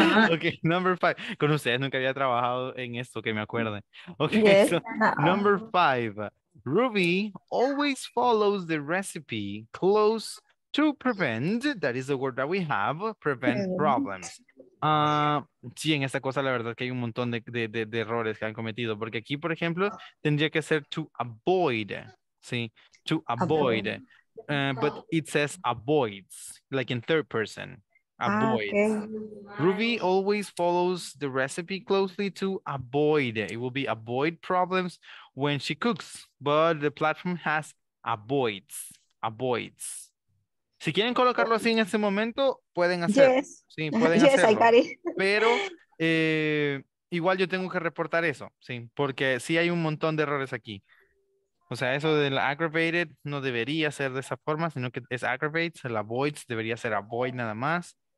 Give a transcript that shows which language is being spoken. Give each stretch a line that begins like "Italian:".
English: Ok, number five.
Spanish: Con ustedes nunca había trabajado en esto, que me acuerden.
English: Ok, yes. So, number five. Ruby always follows the recipe close to prevent, that is the word that we have, prevent problems.
Spanish: Sí, en esta cosa la verdad que hay un montón de errores que han cometido. Porque aquí, por ejemplo, tendría que ser to avoid. Sí, to avoid.
English: But it says avoids, like in third person. Avoids. Okay. Ruby always follows the recipe closely to avoid. It will be avoid problems when she cooks. But the platform has avoids. Avoids.
Spanish: Si quieren colocarlo así en este momento, pueden hacer.
English: Yes.
Spanish: Sí, pueden
English: yes,
Spanish: hacerlo.
English: I got it.
Spanish: Pero igual yo tengo que reportar eso, sí, porque sí hay un montón de errores aquí. O sea, eso del aggravated no debería ser de esa forma, sino que es aggravates, el avoids debería ser avoid nada más.